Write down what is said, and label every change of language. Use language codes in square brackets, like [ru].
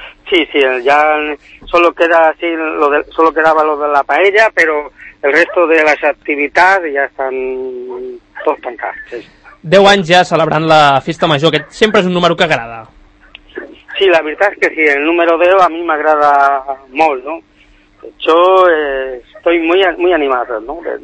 [es] Sí, sí, ya solo queda así, solo quedaba lo de la paella, pero el resto de las actividades ya están todos tancados. Sí. [ca] 10 anys ja celebrant la festa major, que sempre és un número que agrada. [es] Sí, la verdad es que sí, el número 10 a mí me agrada molt, ¿no? Yo estoy muy muy animado, ¿no?